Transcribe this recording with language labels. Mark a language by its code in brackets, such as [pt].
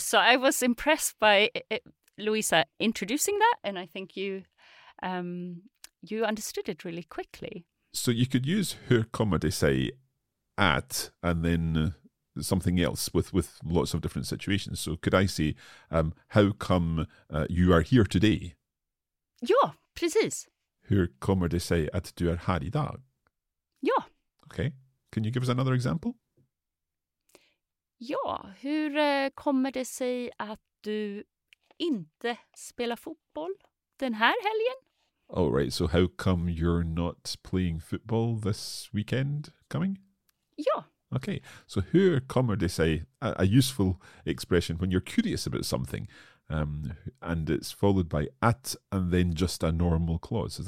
[en] So I was impressed by Louisa introducing that, and I think you understood it really quickly. So you could use [sv] hur kommer det sig at, [en] and then something else with lots of different situations. So could I say, how come you are here today? [sv] Ja, precis. Hur kommer det sig att du är här idag? Ja. [en] Okay. Can you give us another example? [sv] Ja, hur kommer det sig att du inte spelar fotboll den här helgen? [en] Oh, right. So how come you're not playing football this weekend coming? [sv] Ja. [en] Okay. So [sv] hur kommer det sig, [en] a useful expression when you're curious about something, and it's followed by at and then just a normal clause.